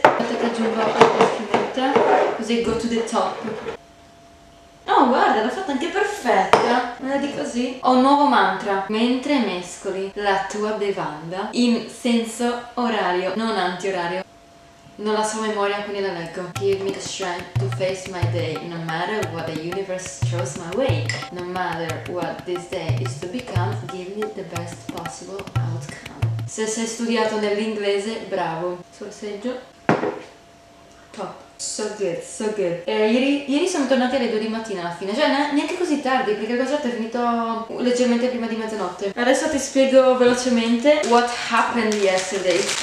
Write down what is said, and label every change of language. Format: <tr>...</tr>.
<it>Aspetta che aggiungo la schiumetta, così</it> <en>go to the top.</en> <it>Oh, guarda, l'ho fatta anche perfetta. Non è di così. Ho un nuovo mantra. Mentre mescoli la tua bevanda in senso orario, non anti-orario. Non la so memoria, quindi la leggo.</it> <en>Give me the strength to face my day, no matter what the universe throws my way. No matter what this day is to become, give me the best possible outcome.</en> <it>Se sei studiato nell'inglese, bravo. Sorseggio. Top.</it> <en>So good, so good.</en> <it>Ieri sono tornati alle 2 di mattina alla fine. Cioè, neanche così tardi, perché il concerto è finito leggermente prima di mezzanotte. Adesso ti spiego velocemente</it> <en>what happened yesterday.</en>